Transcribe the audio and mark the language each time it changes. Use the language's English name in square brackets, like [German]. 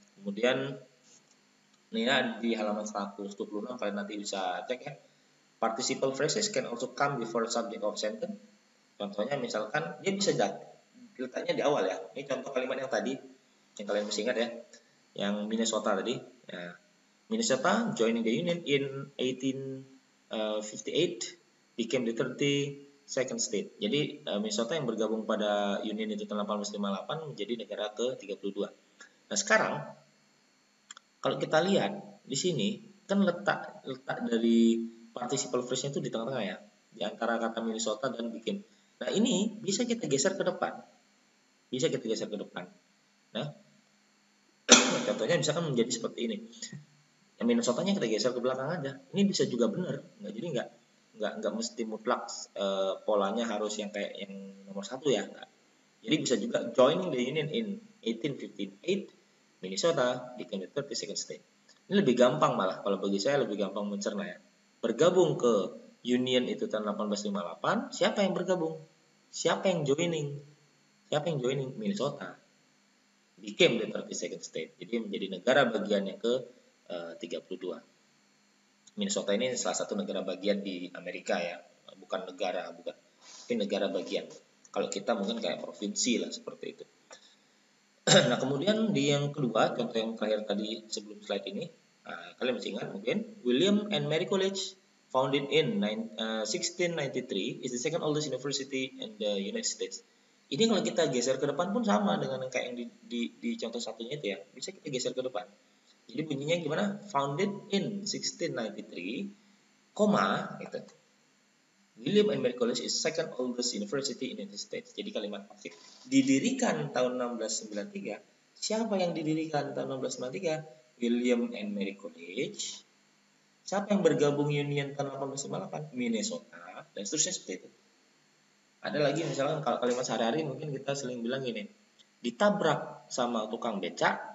[Indonesian] Kemudian ini ya, di halaman 126 kalian nanti bisa cek ya. [English] Participle phrases can also come before subject of sentence. [Indonesian] Contohnya misalkan dia bisa letaknya di awal ya. Ini contoh kalimat yang tadi yang kalian masih ingat ya. Yang Minnesota tadi. Ya. [English] Minnesota joining the union in 1858 became the 32nd state. [Indonesian] Jadi Minnesota yang bergabung pada union itu tahun 1858 menjadi negara ke-32. Nah, sekarang kalau kita lihat di sini kan letak dari participle phrase-nya itu di tengah-tengah ya, di antara kata Minnesota dan became. Nah, ini bisa kita geser ke depan. Bisa kita geser ke depan. Nah, contohnya misalkan menjadi seperti ini. Ya, Minnesota-nya kita geser ke belakang aja. Ini bisa juga benar. Nggak, jadi nggak mesti mutlak polanya harus yang kayak yang nomor satu ya. Nggak. Jadi bisa juga [English] joining the union in 1858, Minnesota became the 32nd state. [Indonesian] Ini lebih gampang malah. Kalau bagi saya lebih gampang mencerna ya. Bergabung ke union itu tahun 1858, siapa yang bergabung? Siapa yang joining? Siapa yang joining? Minnesota. [English] Became the 32nd state. [Indonesian] Jadi menjadi negara bagian yang ke-32. Minnesota ini salah satu negara bagian di Amerika ya. Bukan negara, bukan. Tapi negara bagian. Kalau kita mungkin kayak provinsi lah, seperti itu. Nah, kemudian di yang kedua, contoh yang terakhir tadi sebelum slide ini. Kalian masih ingat mungkin? [English] William and Mary College, founded in 1693, is the second oldest university in the United States. [Indonesian] Ini kalau kita geser ke depan pun sama dengan kayak yang di contoh satunya itu ya. Bisa kita geser ke depan. Jadi bunyinya gimana? [English] Founded in 1693, [Indonesian] koma, gitu. [English] William and Mary College is second oldest university in the United States. [Indonesian] Jadi kalimat pasif. Didirikan tahun 1693. Siapa yang didirikan tahun 1693? William and Mary College. Siapa yang bergabung union tahun 1898? Minnesota. Dan seterusnya seperti itu. Ada lagi misalnya kalau kalimat sehari-hari mungkin kita sering bilang gini. Ditabrak sama tukang becak.